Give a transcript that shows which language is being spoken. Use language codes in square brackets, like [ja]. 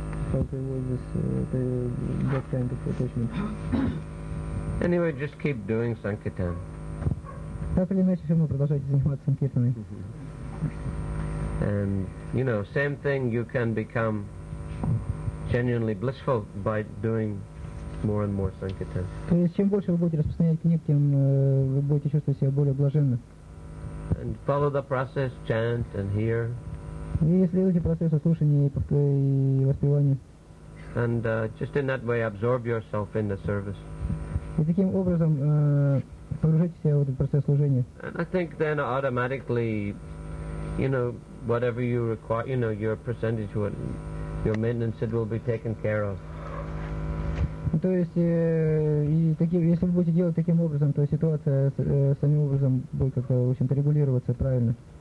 [en] How to avoid this that kind of attachment? Anyway, just keep doing sankirtan. [ru] Так или иначе, все равно продолжайте заниматься санкиртаной. [en] And you know, same thing. You can become genuinely blissful by doing more and more sankirtan. [ru] То есть, чем больше вы будете распространять книг, тем вы будете чувствовать себя более блаженно. [en] And follow the process, chant and hear. [ru] И следуйте процессу слушания и воспевания. [en] And just in that way, absorb yourself in the service. [ru] И таким образом погружайтесь в этот процесс служения. [en] And I think then automatically, you know, whatever you require, you know, your percentage, what your maintenance, it will be taken care of. [ru] То есть, если вы будете делать таким образом, то ситуация самим образом будет как-то, в общем-то, регулироваться правильно.